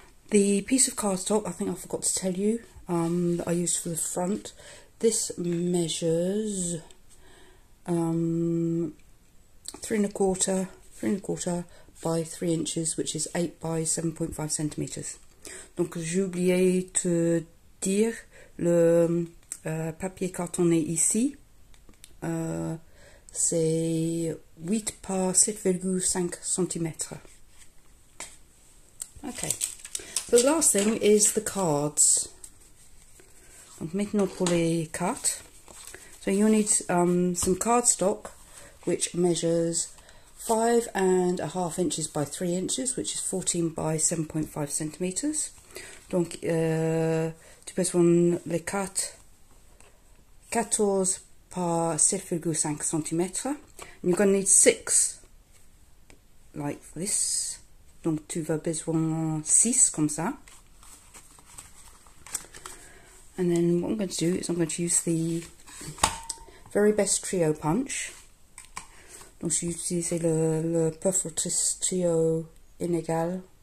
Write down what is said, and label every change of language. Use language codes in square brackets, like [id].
[en] The piece of cardstock, I think I forgot to tell you, that I used for the front, this measures 3 1/4 by 3 inches, which is 8 by 7.5 centimeters. [fr] Donc j'ai oublié de dire le papier cartonné ici, c'est 8 par 7.5 centimètres. [en] Okay. The last thing is the cards. [fr] Donc maintenant pour les cartes. [en] So you'll need some cardstock which measures 5 1/2 inches by 3 inches, which is 14 by 7.5 centimeters. [fr] Donc tu peux prendre les cartes 14 par 7.5 centimètres. [en] And you're going to need 6 like this. [fr] Donc tu vas besoin 6 comme ça. [en] And then what I'm going to do is I'm going to use the very best trio punch. [fr] Donc je vais utiliser le perforatrice trio inégal.